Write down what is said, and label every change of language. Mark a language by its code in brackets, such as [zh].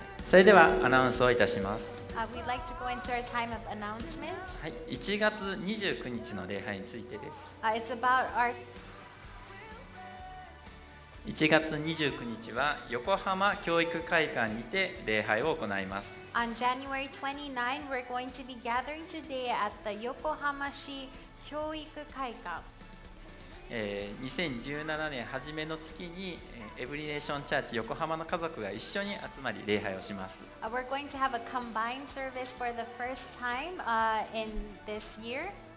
[ja] それではアナウンスをいたします。 [en] We'd like to go into our time of announcements. [ja] はい、1月29日の礼拝についてです。 [en] It's about our [ja] 1月29日は横浜教育会館にて礼拝を行います。 [en] On January 29, we're going to be gathering today at the 横浜市教育会館。 [ja] 2017年初めの月にエブリネーションチャーチ横浜の家族が一緒に集まり礼拝をします。 [en] We're going to have a combined service for the first time, in this year.